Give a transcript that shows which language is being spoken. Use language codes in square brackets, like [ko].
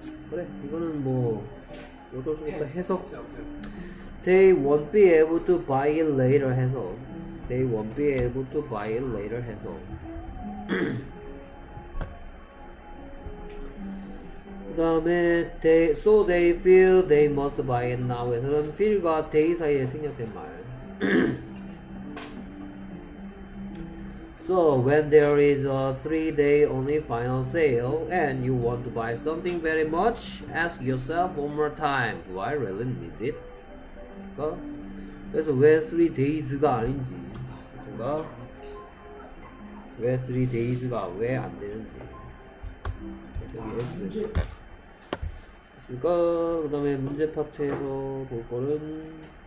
[ko] 그래, 이거는 뭐 어쩔 수 없다 해석. [en] They won't be able to buy it later 해서. They won't be able to buy it later 해서. [ko] 그다음에 [en] they so they feel they must buy it now [ko] 해서는 feel과 they 사이에 생략된 말. [en] So when there is a 3-day only final sale and you want to buy something very much, ask yourself one more time, do I really need it? [ko] 그래서 왜 3-days가 아닌지 그러니까 왜 3-days가 왜 안 되는지 그러니까 그 다음에 문제 파트에서 볼 거는